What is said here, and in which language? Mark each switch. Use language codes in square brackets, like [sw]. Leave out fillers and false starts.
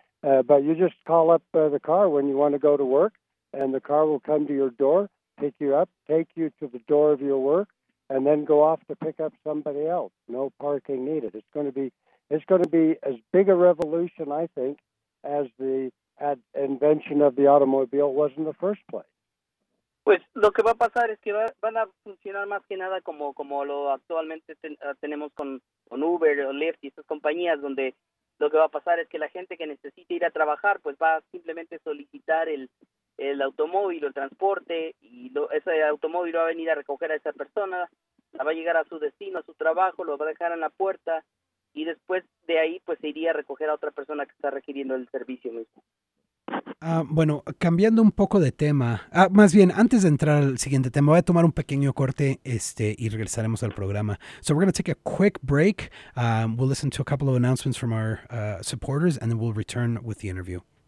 [en] But you just call up the car when you want to go to work, and the car will come to your door, pick you up, take you to the door of your work, and then go off to pick up somebody else. No parking needed. It's going to be as big a revolution, I think, as the invention of the automobile was in the first place. [es] Pues lo que va a pasar es que van a funcionar más que nada como lo actualmente tenemos con Uber o Lyft y esas compañías, donde lo que va a pasar es que la gente que necesite ir a trabajar, pues va a simplemente solicitar el automóvil o el transporte, y ese automóvil va a venir a recoger a esa persona, la va a llegar a su destino, a su trabajo, lo va a dejar en la puerta, y después de ahí pues se iría a recoger a otra persona que está requiriendo el servicio mismo. Bueno, cambiando un poco de tema, más bien antes de entrar al siguiente tema, voy a tomar un pequeño corte y regresaremos al programa. [en] So we're going to take a quick break. We'll listen to a couple of announcements from our supporters, and then we'll return with the interview.